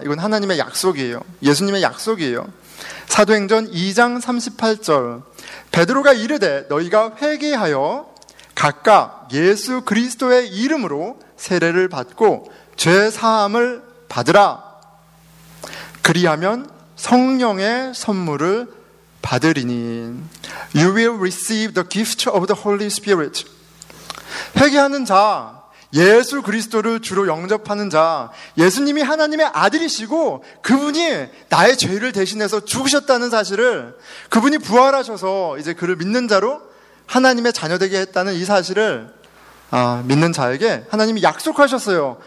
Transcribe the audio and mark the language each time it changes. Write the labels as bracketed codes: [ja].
[ko] 이건 하나님의 약속이에요. 예수님의 약속이에요. 사도행전 2장 38절 베드로가 이르되 너희가 회개하여 각각 예수 그리스도의 이름으로 세례를 받고 죄사함을 받으라. 그리하면 성령의 선물을 받으리니. [en] You will receive the gift of the Holy Spirit. [ko] 회개하는 자, 예수 그리스도를 주로 영접하는 자, 예수님이 하나님의 아들이시고 그분이 나의 죄를 대신해서 죽으셨다는 사실을, 그분이 부활하셔서 이제 그를 믿는 자로 하나님의 자녀되게 했다는 이 사실을 믿는 자에게 하나님이 약속하셨어요.